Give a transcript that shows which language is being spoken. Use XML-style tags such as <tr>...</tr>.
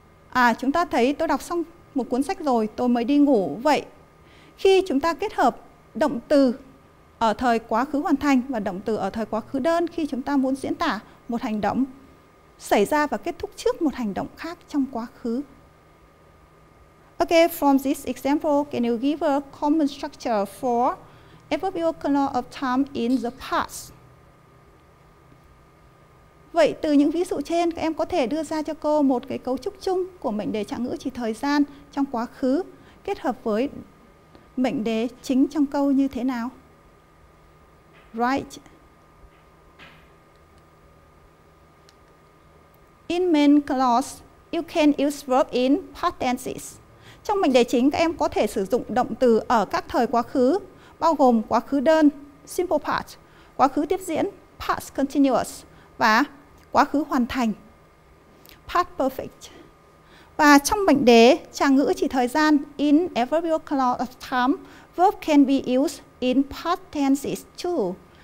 <vi>À, chúng ta thấy tôi đọc xong một cuốn sách rồi, tôi mới đi ngủ. Vậy khi chúng ta kết hợp động từ ở thời quá khứ hoàn thành và động từ ở thời quá khứ đơn khi chúng ta muốn diễn tả một hành động xảy ra và kết thúc trước một hành động khác trong quá khứ.</vi> <en>Okay, from this example, can you give a common structure for adverbial clause of time in the past?</en> <vi>Vậy từ những ví dụ trên, các em có thể đưa ra cho cô một cái cấu trúc chung của mệnh đề trạng ngữ chỉ thời gian trong quá khứ kết hợp với mệnh đề chính trong câu như thế nào?</vi> <en>Right. In main clause, you can use verb in past tenses.</en> <vi>Trong mệnh đề chính, các em có thể sử dụng động từ ở các thời quá khứ, bao gồm quá khứ đơn, simple past, quá khứ tiếp diễn, past continuous, và quá khứ hoàn thành, past perfect. Và trong mệnh đề trạng ngữ chỉ thời gian,</vi> <en>in adverbial clause of time, verb can be used in past tenses too.</en>